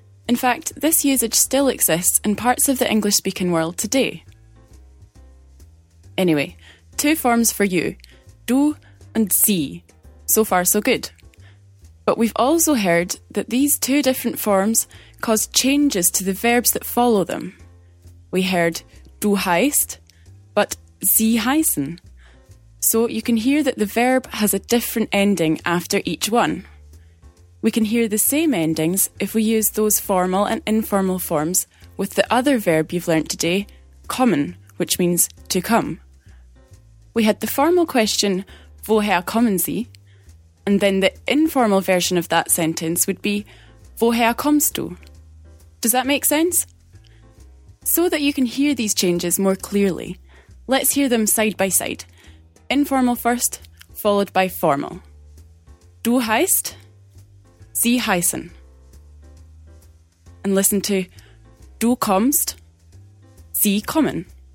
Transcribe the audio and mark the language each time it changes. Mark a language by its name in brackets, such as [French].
[English] In fact, this usage still exists in parts of the English-speaking world today. Anyway, two forms for you, du and sie. So far, so good. But we've also heard that these two different forms cause changes to the verbs that follow them. We heard [German] du heißt, [English] but [German] sie heißen. [English] So you can hear that the verb has a different ending after each one. We can hear the same endings if we use those formal and informal forms with the other verb you've learnt today, kommen, which means to come. We had the formal question, [German] woher kommen Sie? [English] And then the informal version of that sentence would be, [German] woher kommst du? [English] Does that make sense? So that you can hear these changes more clearly, let's hear them side by side. Informal first, followed by formal. [German] Du heißt, Sie heißen. [English] And listen to, [German] du kommst, Sie kommen.